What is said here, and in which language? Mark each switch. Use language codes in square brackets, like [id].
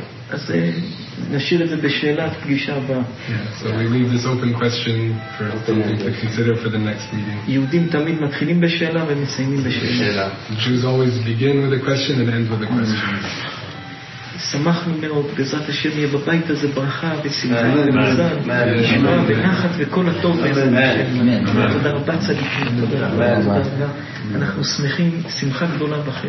[he] אז נשאיר את זה בשאלת פגישה הבאה. [en] So we leave this open question for something to consider for the next meeting. [he] יהודים תמיד מתחילים בשאלה ומסיימים בשאלה. [en] Jews always begin with a question and end with a question. [he] שמחנו מאוד, בעזרת השם יהיה בבית הזה ברכה ושמחה ומזל, נשמה ונחת וכל הטוב בעזרת השם. תודה רבה צדיקים, תודה רבה. אנחנו שמחים, שמחה גדולה בכם.